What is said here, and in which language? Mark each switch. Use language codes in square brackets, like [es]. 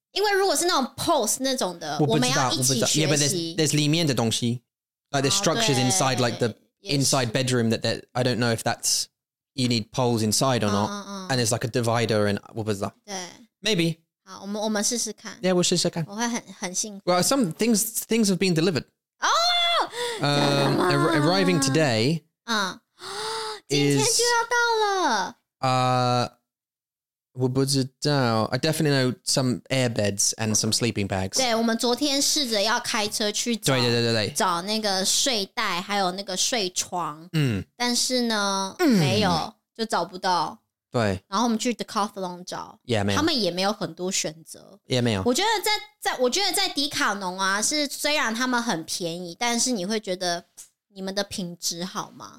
[zh] 因为如果是那种 post 那种的，我们要一起学习。 [en] Yeah, but there's [zh] 里面的东西。 [en] Like the structures inside, like the inside bedroom that I don't know if that's, you need poles inside or not. And there's like a divider and what was that? Maybe. [zh] 好，我们试试看。 Yeah, 我试试看。我会很幸福。 [en] Well, some things have been delivered. Oh! Arriving today. [zh] 今天就要到了。我不知道。 [en] I definitely know some air beds and some sleeping bags. [zh] 对，我们昨天试着要开车去找。对。找那个睡袋，还有那个睡床。嗯。但是呢，没有，就找不到。对，然后我们去 Decathlon 找，也没有，他们也没有很多选择，也没有。我觉得在迪卡侬啊，是虽然他们很便宜，但是你会觉得你们的品质好吗？